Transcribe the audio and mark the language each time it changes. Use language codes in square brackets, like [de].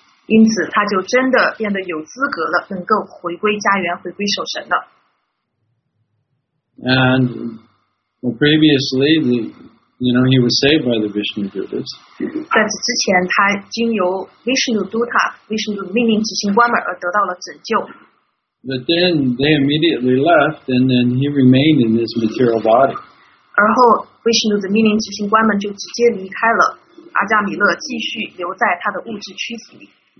[zh] 因此他就真的变得有资格了，能够回归家园，回归守神了。 [en] And previously, the You know, he was saved by the Vishnu Dutas. [zh] 在此之前，他经由 Vishnu Duta, Vishnu 命令执行官们而得到了拯救。 [en] But then they immediately left, and then he remained in this material body. [zh] 而后 ，Vishnu 的命令执行官们就直接离开了，阿加米勒继续留在他的物质躯体里。